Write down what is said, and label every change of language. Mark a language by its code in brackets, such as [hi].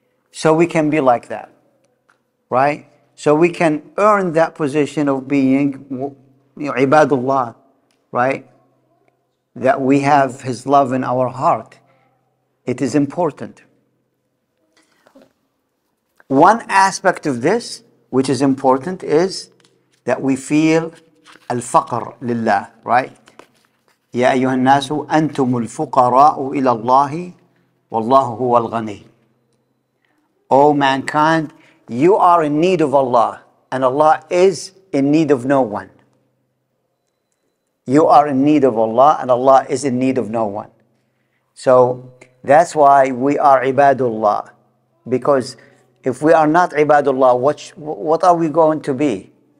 [en] So we can be like that, right? So we can earn that position of being ibadullah, right? That we have His love in our heart. It is important. One aspect of this, which is important, is that we feel al-faqr lillah, right? [ar] يا أيها الناس أنتم الفقراء إلى الله والله هو الغني. [en] O mankind, you are in need of Allah, and Allah is in need of no one. You are in need of Allah, and Allah is in need of no one. So that's why we are ibadullah, because if we are not ibadullah, what are we going to be?